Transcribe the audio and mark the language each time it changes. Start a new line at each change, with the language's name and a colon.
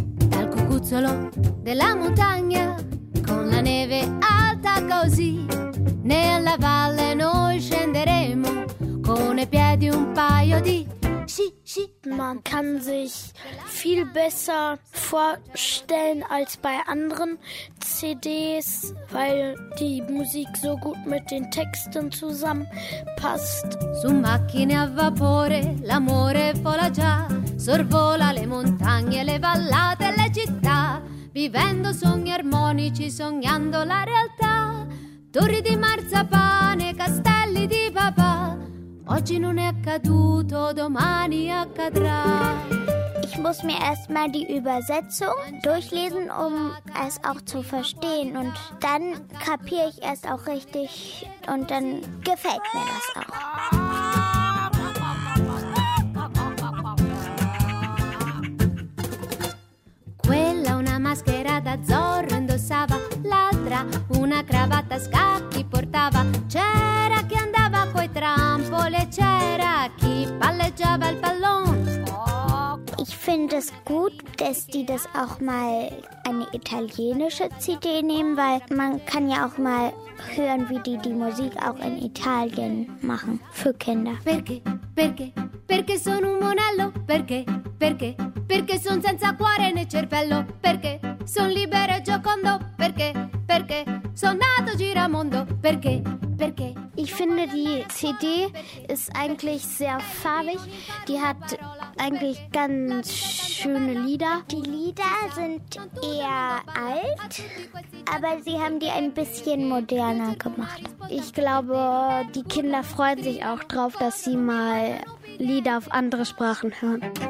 Italian: Dal cucuzzolo della montagna, con la neve alta così, nella valle noi scenderemo con i piedi un paio di.
German: Man kann sich viel besser vorstellen als bei anderen CDs, weil die Musik so gut mit den Texten zusammenpasst.
Italian: Su macchine a vapore, l'amore vola già, sorvola le montagne, le vallate, le città, vivendo sogni armonici, sognando la realtà, torri di marzapane, castelli di papà. Oggi non è accaduto, domani accadrà.
German: Ich muss mir erstmal die Übersetzung durchlesen, um es auch zu verstehen. Und dann kapiere ich es auch richtig und dann gefällt mir das auch.
Italian: Quella una maschera da zorro indossava, l'altra una cravatta a scacchi portava. C'era chi andava coi trampole, c'era chi palleggiava il pallone.
German: Ich finde es gut, dass die das auch mal eine italienische CD nehmen, weil man kann ja auch mal hören, wie die Musik auch in Italien machen für Kinder.
Italian: Perché, perché, perché sono un monello? Perché, perché, perché sono senza cuore né cervello? Perché sono libero e giocondo? Perché, perché sono nato giramondo? Perché,
German: Ich finde, die CD ist eigentlich sehr farbig. Die hat eigentlich ganz schöne Lieder. Die Lieder sind eher alt, aber sie haben die ein bisschen moderner gemacht. Ich glaube, die Kinder freuen sich auch drauf, dass sie mal Lieder auf andere Sprachen hören.